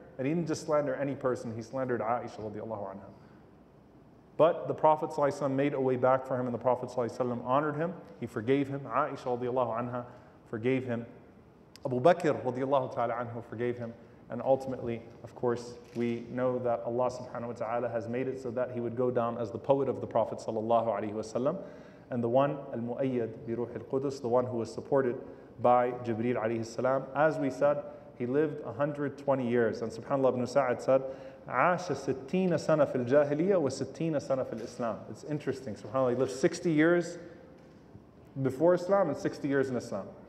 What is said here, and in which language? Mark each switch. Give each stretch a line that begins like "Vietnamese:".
English: And he didn't just slander any person, he slandered Aisha radiallahu anha. But the Prophet ﷺ made a way back for him, and the Prophet ﷺ honored him, he forgave him, Aisha radiallahu anha forgave him, Abu Bakr radiallahu ta'ala anhu forgave him, and ultimately, of course, we know that Allah subhanahu wa ta'ala has made it so that he would go down as the poet of the Prophet sallallahu alayhi wa sallam. And the one,
Arabic: al-mu'ayyad bi ruh al-Qudus,
English: the one who was supported by Jibreel alayhi salam. As we said, he lived 120 years. And subhanAllah, ibn Sa'ad said,
Arabic: عَاشَ سِتِّينَ سَنَ فِي الْجَاهِلِيَّةِ وَسِتِّينَ سَنَ فِي الْإِسْلَامِ.
English: It's interesting, subhanAllah, he lived 60 years before Islam and 60 years in Islam.